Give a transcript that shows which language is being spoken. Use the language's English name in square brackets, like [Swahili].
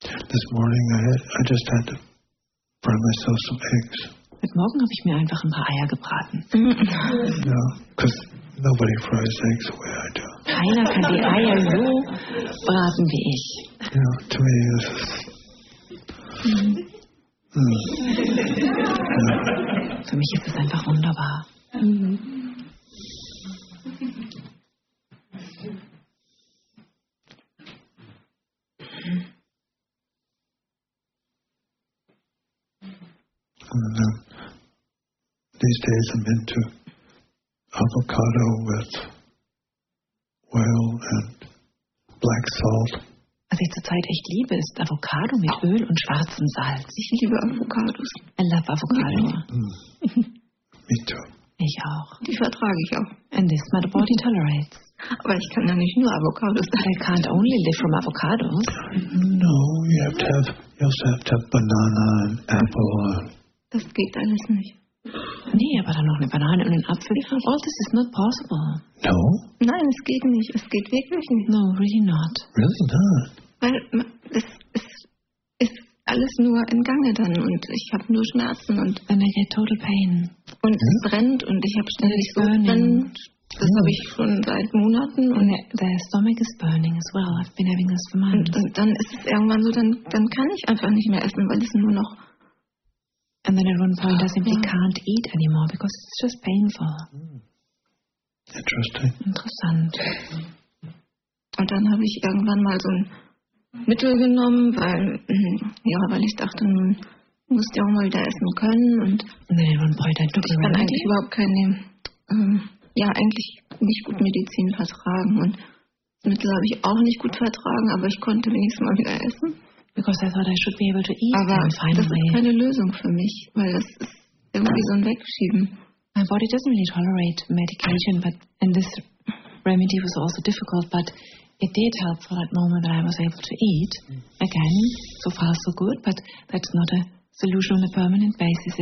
[English] This morning I just had to fry myself some eggs. [German] Heute Morgen habe ich mir einfach ein paar Eier gebraten. [English] No, because nobody fries eggs the way I do. [German] Keiner kann die Eier so braten wie ich. [English] You know, to me this is. [German] Für mich ist es einfach wunderbar. [English] These days I'm into avocado with oil and black salt. [German] Was ich zurzeit echt liebe, ist Avocado mit Öl und schwarzem Salz. Ich liebe Avocados. [English] I love Avocado. Mm. Me too. [German] Ich auch. Die vertrage ich auch. [English] And this my body tolerates. [German] Aber ich kann ja nicht nur Avocados. [English] I can't only live from avocados. No, you also have to have banana and apple and [German] Das geht alles nicht. Nee, aber dann noch eine Banane und einen Apfel. [English] All this is not possible. No? [German] Nein, es geht nicht. Es geht wirklich nicht. [English] No, really not. Really not. [German] Weil das ist alles nur in Gange dann und ich habe nur Schmerzen und [English] then I get total pain. [German] Und es brennt und ich habe ständig so brennt. Das habe ich schon seit Monaten. [English] Und their stomach is burning as well. I've been having this for months. [German] Und dann ist es irgendwann so, dann kann ich einfach nicht mehr essen, weil es nur noch... [English] And then at one point I simply can't eat anymore because it's just painful. Interesting. [German] Interessant. Und dann habe ich irgendwann mal so ein Mittel genommen, weil ich dachte, nun musst du auch mal wieder essen können. Und [English] then at one point I took [German] ich kann eigentlich überhaupt keine... eigentlich nicht gut Medizin vertragen und das Mittel habe ich auch nicht gut vertragen, aber ich konnte wenigstens mal wieder essen. [English] Because I thought I should be able to eat. [German] Aber das ist keine Lösung für mich, weil das ist irgendwie so ein Wegschieben. [English] My body doesn't really tolerate medication, and this remedy was also difficult, but it did help for that moment that I was able to eat. Again, so far so good, but that's not a solution on a permanent basis.